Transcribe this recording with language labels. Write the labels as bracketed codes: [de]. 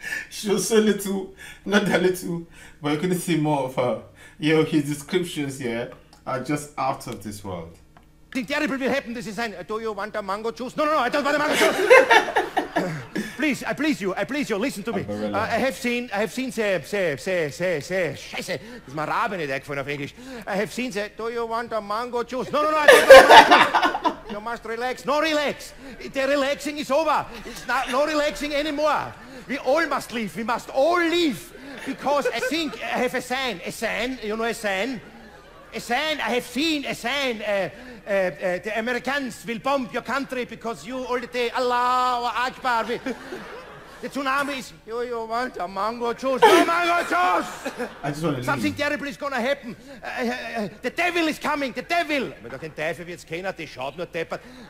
[en] Just a little, not a little, but you're gonna see more of her. You know, his descriptions here are just out of this world. The terrible will happen, this is ein, do you want a mango juice? No, I don't want a mango juice. Please, I please you, listen to me. I have seen, [de] das ist mir Rabe nicht eingefallen auf Englisch. [en] I have seen, do you want a mango juice? No, I don't want a mango juice. You must relax, no relax. The relaxing is over. It's not, no relaxing anymore. We all must leave, we must all leave. Because I think I have a sign. A sign, you know a sign? A sign, I have seen a sign. The Americans will bomb your country because you all the day, Allah, Akbar, the tsunami is, you want a mango juice, no mango juice! I just want to something leave. Terrible is gonna happen. The devil is coming, the devil! [de] Ich meine, da kein Teufel wird's kennen, der schaut nur deppert.